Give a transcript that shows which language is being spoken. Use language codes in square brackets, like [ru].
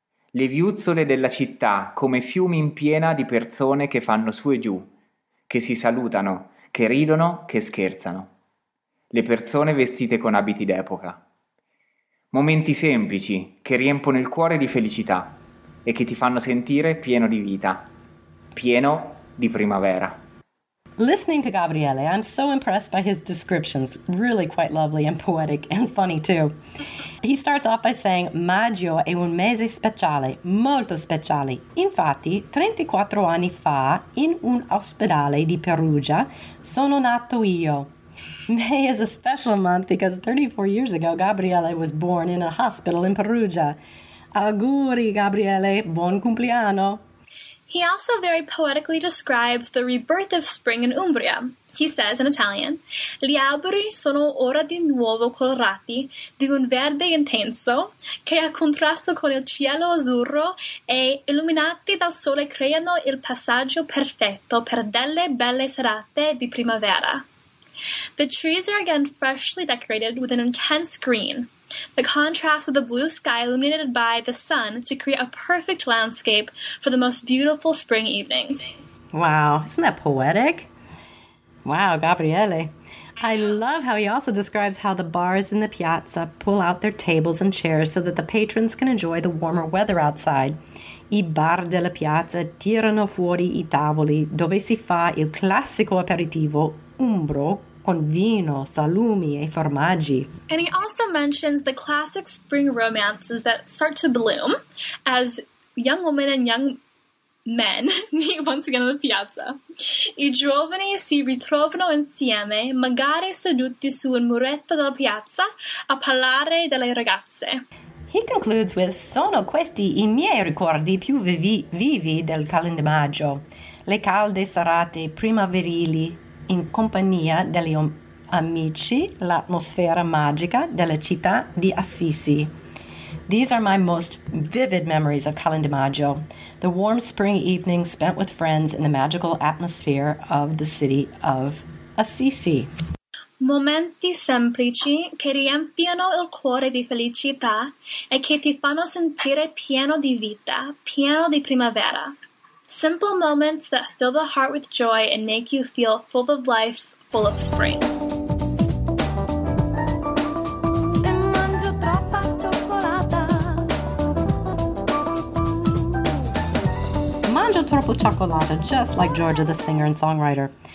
[it] Le viuzzole della città come fiumi in piena di persone che fanno su e giù, che si salutano, che ridono, che scherzano. Le persone vestite con abiti d'epoca. Momenti semplici che riempiono il cuore di felicità e che ti fanno sentire pieno di vita, pieno di primavera. [en] Listening to Gabriele, I'm so impressed by his descriptions. Really quite lovely and poetic and funny too. He starts off by saying, [it] Maggio è un mese speciale, molto speciale. Infatti, 34 anni fa, in un ospedale di Perugia, sono nato io. [en] May is a special month because 34 years ago, Gabriele was born in a hospital in Perugia. [it] Auguri, Gabriele. Buon compleanno. [en] He also very poetically describes the rebirth of spring in Umbria. He says in Italian, [it] Gli alberi sono ora di nuovo colorati di un verde intenso che a contrasto con il cielo azzurro e illuminati dal sole creano il passaggio perfetto per delle belle serate di primavera. [en] The trees are again freshly decorated with an intense green. The contrast with the blue sky illuminated by the sun to create a perfect landscape for the most beautiful spring evenings. Wow, isn't that poetic? Wow, Gabriele. I love how he also describes how the bars in the piazza pull out their tables and chairs so that the patrons can enjoy the warmer weather outside. [it] I bar della piazza tirano fuori i tavoli dove si fa il classico aperitivo umbro con vino, salumi e formaggi. [en] And he also mentions the classic spring romances that start to bloom as young women and young men meet once again on the piazza. [it] I giovani si ritrovano insieme, magari seduti su un muretto della piazza, a parlare delle ragazze. [en] He concludes with, [it] Sono questi i miei ricordi più vivi del Calend di Maggio. Le calde serate primaverili in compagnia degli amici, l'atmosfera magica della città di Assisi. [en] These are my most vivid memories of Calend di Maggio, the warm spring evening spent with friends in the magical atmosphere of the city of Assisi. [it] Momenti semplici che riempiono il cuore di felicità e che ti fanno sentire pieno di vita, pieno di primavera. [en] Simple moments that fill the heart with joy and make you feel full of life, full of spring. [it] Mangio troppo cioccolata, [en] just like Giorgia the singer and songwriter.